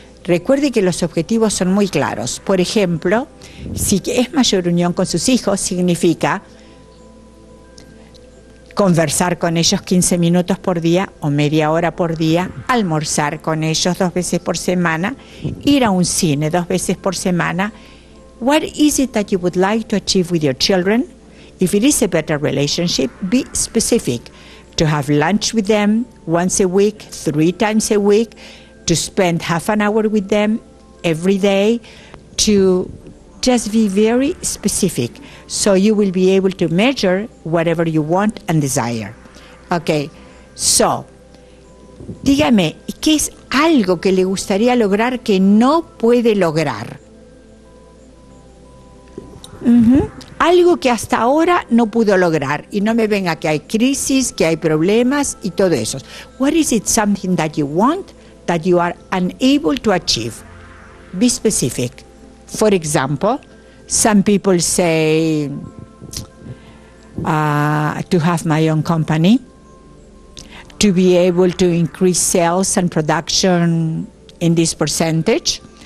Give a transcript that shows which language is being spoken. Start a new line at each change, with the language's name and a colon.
Spanish: Recuerde que los objetivos son muy claros. Por ejemplo, si es mayor unión con sus hijos, significa conversar con ellos 15 minutos por día o media hora por día, almorzar con ellos 2 veces por semana, ir a un cine 2 veces por semana.
English: What is it that you would like to achieve with your children? If it is a better relationship, be specific. To have lunch with them once a week, 3 times a week, to spend 30 minutes with them every day, to just be very specific. So you will be able to measure whatever you want and desire. Okay, so,
Spanish: dígame, ¿qué es algo que le gustaría lograr que no puede lograr? Algo que hasta ahora no pudo lograr. Y no me venga que hay crisis, que hay problemas y todo eso.
English: What is it something that you want that you are unable to achieve? Be specific. For example, some people say to have my own company, to be able to increase sales and production in this percentage.